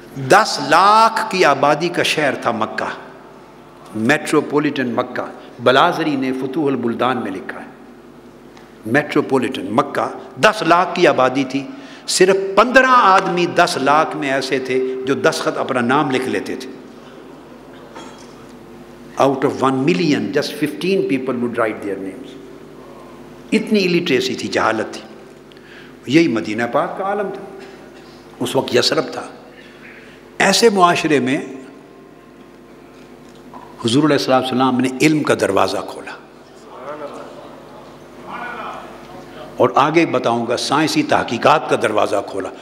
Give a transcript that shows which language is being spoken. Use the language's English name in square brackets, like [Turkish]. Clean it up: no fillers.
[Urdu] 10 لاکھ کی آبادی کا شہر تھا مکہ, میٹروپولیٹن مکہ, بلازری نے فتوح البلدان میں لکھا ہے, میٹروپولیٹن مکہ 10 لاکھ کی آبادی تھی, صرف 15 آدمی 10 لاکھ میں ایسے تھے جو دستخط اپنا نام لکھ لیتے تھے. [English] Out of 1 million just 15 people would write their names. [Urdu] اتنی الیٹریسی تھی, جہالت تھی. یہی مدینہ پاک کا عالم تھا, اس وقت یثرب تھا. ایسے معاشرے میں حضور علیہ السلام نے علم کا دروازہ کھولا, اور آگے بتاؤں گا سائنسی تحقیقات کا دروازہ کھولا.